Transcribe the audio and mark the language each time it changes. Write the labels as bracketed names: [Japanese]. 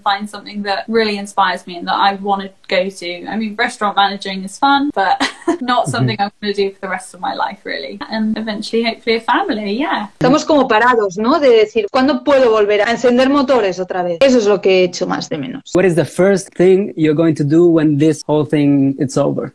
[English] Find something that really inspires me and that I want to go to. I mean, restaurant managing is fun, but not something I'm going to do for the rest of my life, really. And eventually, hopefully, a family, yeah. [Spanish] Estamos como parados, ¿no? De decir, ¿cuándo puedo volver a encender motores otra vez? Eso es lo que he hecho más de menos. [English] What is the first thing you're going to do when this whole thing it's over?